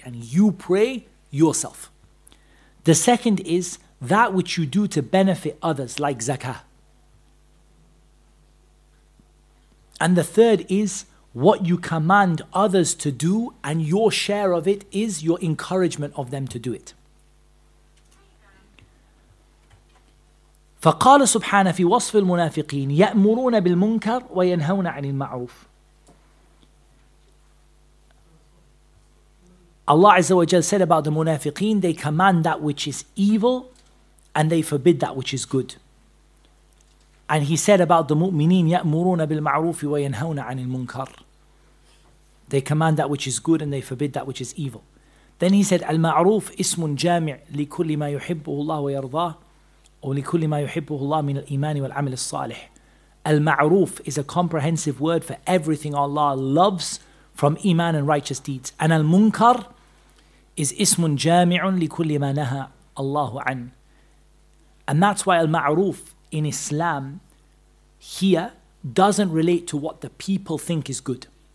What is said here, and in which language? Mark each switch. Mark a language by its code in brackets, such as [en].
[en] And you pray yourself. The second is that which you do to benefit others, like zakah. And the third is what you command others to do, and your share of it is your encouragement of them to do it. [ar] فقال سبحانه في وصف المنافقين يأمرون بالمنكر وينهون عن المعروف. [en] Allah Azza wa Jal said about the munafiqeen, they command that which is evil and they forbid that which is good. And he said about the mu'mineen, [ar] يأمرون بالمعروف وينهون عن المنكر. [en] They command that which is good and they forbid that which is evil. Then he said, [ar] المعروف اسم جامع لكل ما يحبه الله ويرضاه وَلِكُلِّ مَا يُحِبُّهُ اللَّهُ مِنَ الْإِيمَانِ وَالْعَمِلِ الصَّالِحِ. [en] Al-Ma'roof is a comprehensive word for everything Allah loves from Iman and righteous deeds. And Al-Munkar is [ar] ismun jami'un لِكُلِّ مَا نَهَى اللَّهُ عَنْ. [en] And that's why Al-Ma'roof in Islam here doesn't relate to what the people think is good.